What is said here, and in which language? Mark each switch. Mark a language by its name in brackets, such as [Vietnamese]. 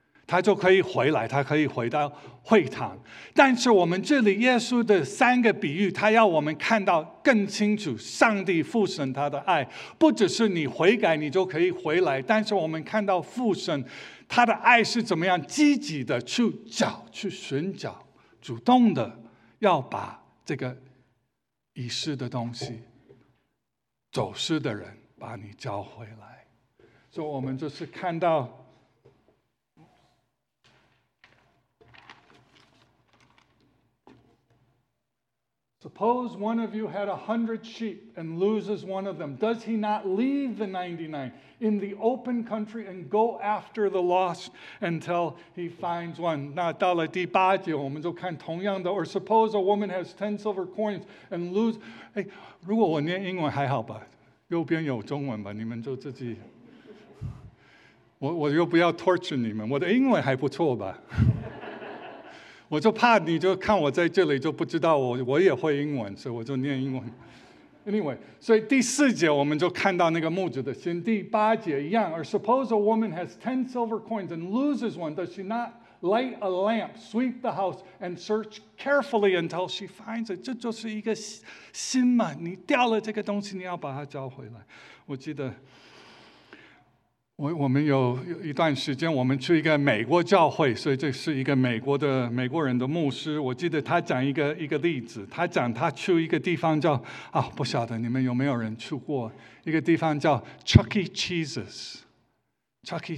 [Chinese] 他就可以回来，他可以回到会堂。但是我们这里耶稣的三个比喻，他要我们看到更清楚上帝父神他的爱，不只是你悔改你就可以回来，但是我们看到父神他的爱是怎么样积极的去找，去寻找，主动的要把这个遗失的东西，走失的人把你找回来。所以我们就是看到 [English] Suppose one of you had 100 sheep and loses one of them. Does he not leave the 99 in the open country and go after the lost until he finds one? [Chinese] 那到了第八节，我们就看同样的。 [English] Or suppose a woman has 10 silver coins and lose. [Chinese] 哎，如果我念英文还好吧，右边有中文吧，你们就自己。我又不要 torture 你们，我的英文还不错吧。我就怕你就看我在这里就不知道我也会英文，所以我就念英文。 [English] Anyway, [Chinese] 所以第四节我们就看到那个牧者的心。第八节一样。 [English] Or suppose a woman has 10 silver coins and loses one, does she not light a lamp, sweep the house, and search carefully until she finds it? [Chinese] 这就是一个心嘛，你掉了这个东西，你要把它找回来。我记得我们有一段时间我们去一个美国教会，所以这是一个美国人的牧师。我记得他讲一个例子，他讲他去一个地方叫不晓得你们有没有人去过一个地方叫 Chuck E. Cheese's。 Chuck E.